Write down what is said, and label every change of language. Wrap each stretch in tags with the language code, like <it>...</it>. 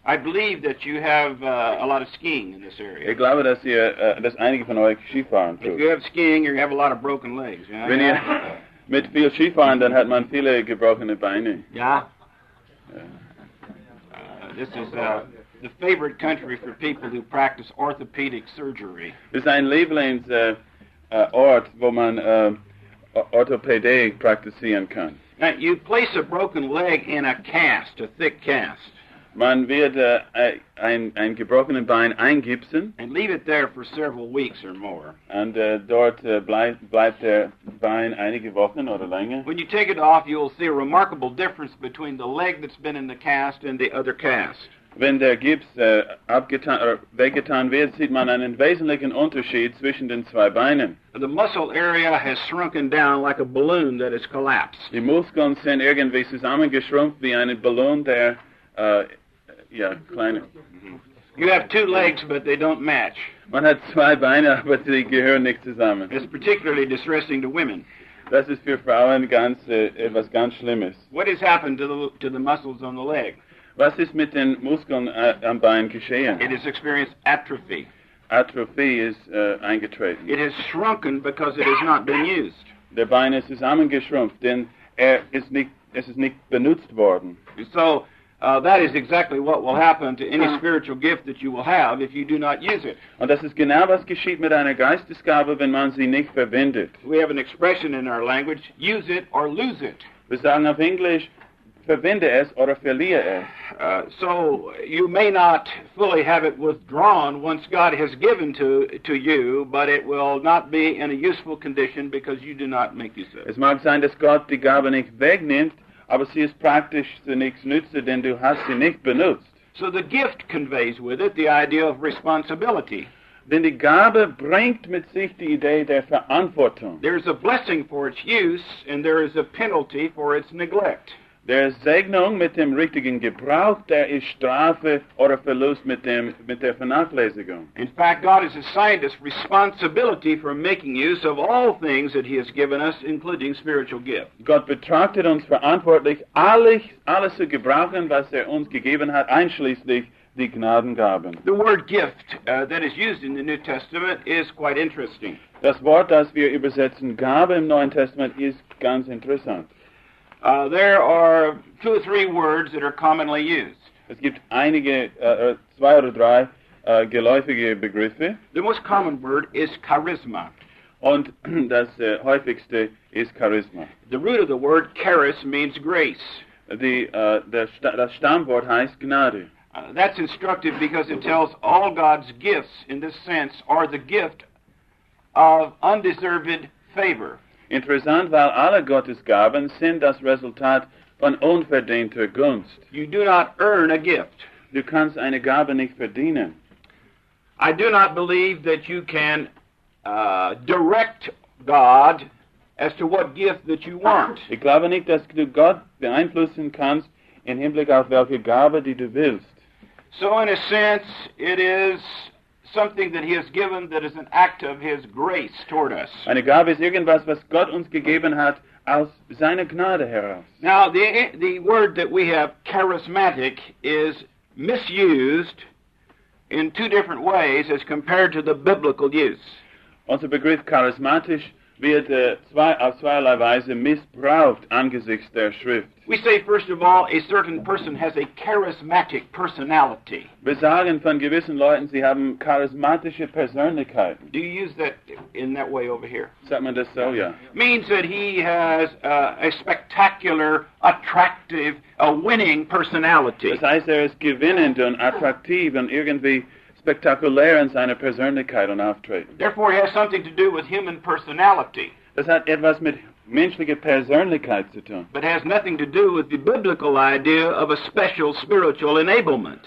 <en>I believe that you have a lot of skiing in this area.</en> <de>Ich glaube, dass einige von euch Skifahren tun.</de> <en>If you have skiing, you have a lot of broken legs. Yeah?</en> <de>Wenn ihr mit viel Skifahren, dann hat man viele gebrochene Beine. Ja.</de> <en>This is the favorite country for people who practice orthopedic surgery.</en> <de>Das ist ein Lieblings Ort, wo man Orthopädie praktizieren kann.</de> <en>Now, you place a broken leg in a cast, a thick cast.</en> <de>Man wird ein gebrochenen Bein eingipsen.</de> <en>And leave it there for several weeks or more.</en> <de>Und dort bleibt der Bein einige Wochen oder länger.</de> <en>When you take it off, you will see a remarkable difference between the leg that's been in the cast and the other cast.</en> <de>Wenn der Gips weggetan wird, sieht man einen wesentlichen Unterschied zwischen den zwei Beinen.</de> <en>The muscle area has shrunken down like a balloon that has collapsed.</en> <de>Die Muskeln sind irgendwie zusammengeschrumpft wie ein Ballon, der kleiner.</de> <en>You have two legs, but they don't match.</en> <de>Man hat zwei Beine, aber sie gehören nicht zusammen.</de> <en>It's particularly distressing to women.</en> <de>Das ist für Frauen ganz etwas ganz Schlimmes.</de> <en>What has happened to the muscles on the leg?</en> <de>Was ist mit den Muskeln am Bein geschehen?</de> <en>It has experienced atrophy.</en> <de>Atrophy ist eingetreten.</de> <en>It has shrunken because it has not been used.</en> <de>Der Bein ist zusammengeschrumpft, denn es ist nicht benutzt worden.</de> <en>So that is exactly what will happen to any spiritual gift that you will have if you do not use it.</en> <de>Und das ist genau was geschieht mit einer Geistesgabe, wenn man sie nicht verwendet.</de> <en>We have an expression in our language, use it or lose it.</en> <de>Wir sagen auf Englisch, verwende es oder verliere es.</de> <en>So you may not fully have it withdrawn once God has given to you, but it will not be in a useful condition because you do not make use of it.</en> <de>Es mag sein, dass Gott die Gabe nicht wegnimmt, aber sie ist praktisch zu nichts nütze, denn du hast sie nicht benutzt.</de> <en>So the gift conveys with it the idea of responsibility.</en> <de>Denn die Gabe bringt mit sich die Idee der Verantwortung.</de> <en>There is a blessing for its use, and there is a penalty for its neglect.</en> <de>Der Segnung mit dem richtigen Gebrauch, der ist Strafe oder Verlust mit der Vernachlässigung.</de> <en>In fact, God has assigned us responsibility for making use of all things that he has given us, including spiritual gifts.</en> <de>Gott betrachtet uns verantwortlich, alles zu gebrauchen, was er uns gegeben hat, einschließlich die Gnadengaben.</de> <en>The word gift that is used in the New Testament is quite interesting.</en> <de>Das Wort, das wir übersetzen, Gabe im Neuen Testament, ist ganz interessant.</de> <en>There are two or three words that are commonly used.</en> <de>Es gibt einige zwei oder drei geläufige Begriffe.</de> <en>The most common word is charisma.</en> <de>Und das häufigste ist Charisma.</de> <en>The root of the word charis means grace.</en> <de>Das Stammwort heißt Gnade.</de> <en>That's instructive because it tells all God's gifts in this sense are the gift of undeserved favor.</en> <de>Interessant, weil alle Gottes Gaben sind das Resultat von unverdienter Gunst.</de> <en>You do not earn a gift.</en> <de>Du kannst eine Gabe nicht verdienen.</de> <en>I do not believe that you can direct God as to what gift that you want.</en> <de>Ich glaube nicht, dass du Gott beeinflussen kannst in Hinblick auf welche Gabe die du willst.</de> <en>So in a sense, it is something that he has given that is an act of his grace toward us.</en> <de>Eine Gabe ist irgendwas, was Gott uns gegeben hat aus seiner Gnade heraus.</de> <en>Now the word that we have charismatic is misused in two different ways as compared to the biblical use.</en> <de>Unser Begriff charismatisch wird auf zweierlei Weise missbraucht angesichts der Schrift.</de> <en>We say, first of all, a certain person has a charismatic personality.</en> <de>Wir sagen von gewissen Leuten, sie haben charismatische Persönlichkeit.</de> <en>Do you use that in that way over here?</en> <de>Sagt man das so, ja.</de> <en>Means that he has a spectacular, attractive, a winning personality.</en> <de>Das heißt, er ist gewinnend und attraktiv und irgendwie spektakulär in seiner Persönlichkeit und Auftreten.</de> <en>Therefore, he has something to do with human personality.</en> <de>Das hat etwas mit menschliche Persönlichkeit zu tun.</de> <en>But has nothing to do with the biblical idea of a special spiritual enablement.</en>